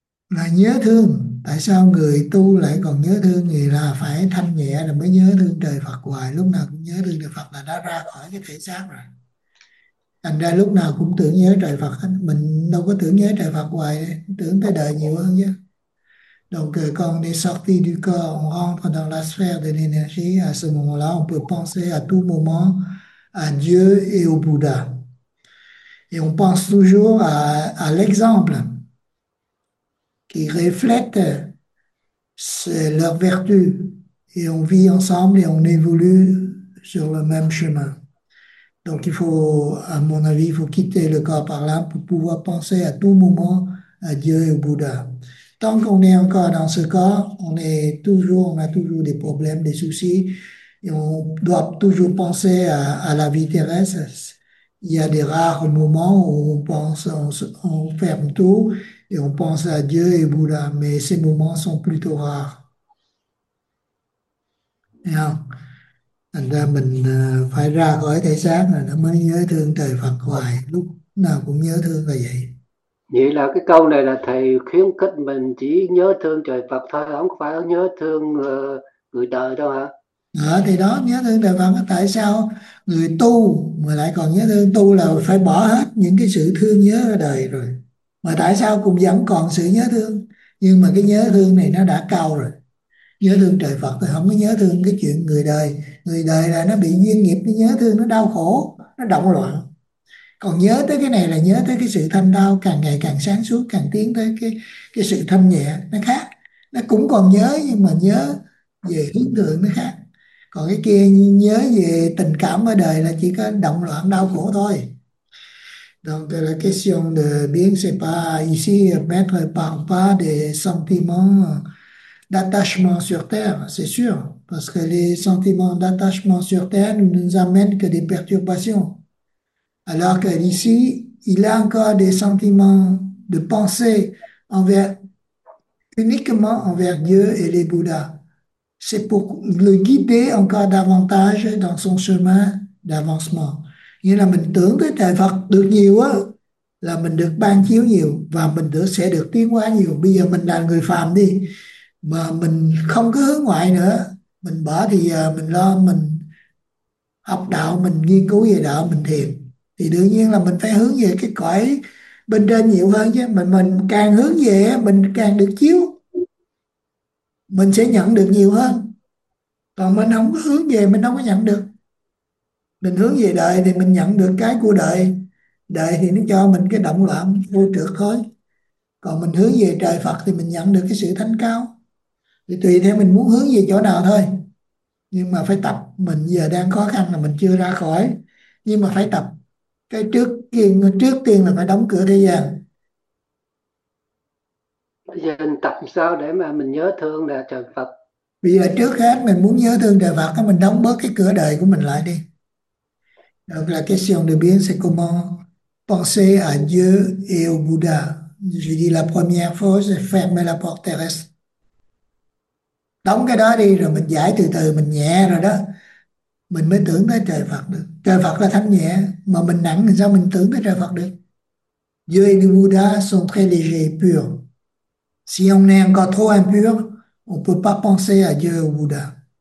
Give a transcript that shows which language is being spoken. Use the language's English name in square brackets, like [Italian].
[Vietnamese] Là nhớ thương. Tại sao người tu lại còn nhớ thương người, là phải thanh nhẹ rồi mới nhớ thương trời Phật hoài, lúc nào cũng nhớ thương trời Phật là đã ra khỏi cái thể xác rồi. Thành ra lúc nào cũng tưởng nhớ trời Phật hết. Mình đâu có tưởng nhớ trời Phật hoài, tưởng tới đời nhiều hơn chứ. [French] Donc [Vietnamese] con đi [French] sortir du corps, on rentre dans la sphère de l'énergie, à ce moment-là, on peut penser à tout moment à Dieu et au Bouddha. Et on pense toujours à l'exemple qui reflète leurs vertus, et on vit ensemble et on évolue sur le même chemin. Donc il faut, à mon avis, il faut quitter le corps parlant pour pouvoir penser à tout moment à Dieu et au Bouddha. Tant qu'on est encore dans ce corps, on a toujours des problèmes, des soucis, et on doit toujours penser à la vie terrestre. Il y a des rares moments où on ferme tout et on pense à Dieu et Bouddha, mais ces moments sont plutôt rares. Yeah. [Vietnamese] Thành ra mình phải ra khỏi thể xác là nó mới nhớ thương trời Phật hoài, lúc nào cũng nhớ thương là vậy. Vậy là cái câu này là thầy khuyến khích mình chỉ nhớ thương trời Phật thôi, không phải nhớ thương người đời đâu hả? Thì đó, nhớ thương trời Phật. Tại sao người tu mà lại còn nhớ thương? Tu là phải bỏ hết những cái sự thương nhớ ở đời rồi, mà tại sao cũng vẫn còn sự nhớ thương? Nhưng mà cái nhớ thương này nó đã cao rồi. Nhớ thương trời Phật thì không có nhớ thương cái chuyện người đời. Người đời là nó bị duyên nghiệp, nó nhớ thương, nó đau khổ, nó động loạn. Còn nhớ tới cái này là nhớ tới cái sự thanh tao, càng ngày càng sáng suốt, càng tiến tới cái sự thanh nhẹ, nó khác. Nó cũng còn nhớ nhưng mà nhớ về hướng thượng nó khác. Còn cái kia nhớ về tình cảm ở đời là chỉ có động loạn, đau khổ thôi. [French] Donc la question de bien, c'est pas ici, mettre par pas des sentiments d'attachement sur Terre, c'est sûr, parce que les sentiments d'attachement sur Terre ne nous amènent que des perturbations. Alors qu'ici, il y a encore des sentiments de pensée envers uniquement envers Dieu et les Bouddhas. C'est pour le guider encore davantage dans son chemin d'avancement. [Vietnamese] Nghĩa là mình tưởng tới Thầy Phật được nhiều á, là mình được ban chiếu nhiều và mình được sẽ được tiến hóa nhiều. Bây giờ mình là người phàm đi mà mình không có hướng ngoại nữa, mình bỏ thì giờ mình lo mình học đạo, mình nghiên cứu về đạo, mình thiền, thì đương nhiên là mình phải hướng về cái cõi bên trên nhiều hơn chứ. Mình càng hướng về mình càng được chiếu, mình sẽ nhận được nhiều hơn. Còn mình không có hướng về mình không có nhận được. Mình hướng về đời thì mình nhận được cái của đời, đời thì nó cho mình cái động loạn vô trượt thôi. Còn mình hướng về trời Phật thì mình nhận được cái sự thánh cao. Thì tùy theo mình muốn hướng về chỗ nào thôi. Nhưng mà phải tập, mình giờ đang khó khăn là mình chưa ra khỏi. Nhưng mà phải tập. Cái trước tiên là phải đóng cửa thế gian. Bây giờ mình tập sao để mà mình nhớ thương là trời Phật. Bây giờ trước hết mình muốn nhớ thương trời Phật, mình đóng bớt cái cửa đời của mình lại đi. [French] Donc la question de bien, c'est comment penser à Dieu et au Bouddha. Je dis la première fois, c'est fermer la porte terrestre. [Vietnamese] Đóng cái đó đi rồi mình giải từ từ, mình nhẹ rồi đó. Mình mới tưởng tới trời Phật được. Trời Phật là thánh nhẹ, mà mình nặng thì sao mình tưởng tới trời Phật được. [French] Dieu et le Bouddha sont très légers, purs. Si on est encore trop impur, on ne peut pas penser à Dieu ou Bouddha.